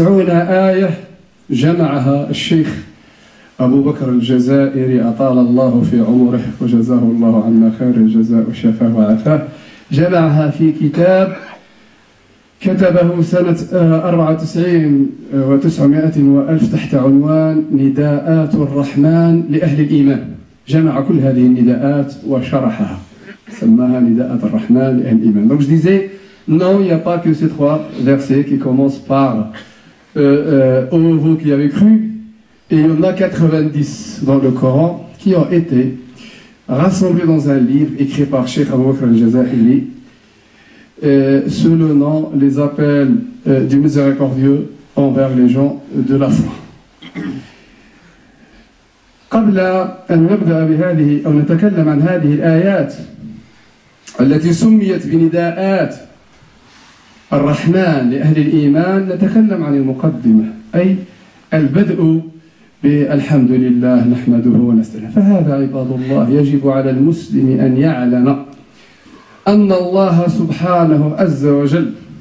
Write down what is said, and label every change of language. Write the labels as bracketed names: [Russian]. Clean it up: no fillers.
[Arabic] آية جمعها الشيخ أبو بكر الجزائري أطال الله في عمره وجزاه الله عما خير الجزاء وشفاه وعافاه، جمعها في كتاب كتبه سنة 94 و1900 تحت عنوان نداءات الرحمن لأهل الإيمان. جمع كل هذه النداءات وشرحها، سماها نداءات الرحمن لأهل الإيمان. [French] Donc je disais non, il n'y a pas que ces trois versets qui commencent par ô vous qui avez cru, et il y en a 90 dans le Coran qui ont été rassemblés dans un livre écrit par Cheikh Abou Bakr al-Jazahiri, sous le nom Les Appels du Miséricordieux envers les gens de la foi. [Arabic] قبل أن نبدأ بهذه أو نتكلم عن هذه الآيات التي سميت بنداءات الرحمن لأهل الإيمان نتكلم عن المقدمة أي البدء بالحمد لله نحمده ونستعينه فهذا عباد الله يجب على المسلم أن يعلم أن الله سبحانه عز وجل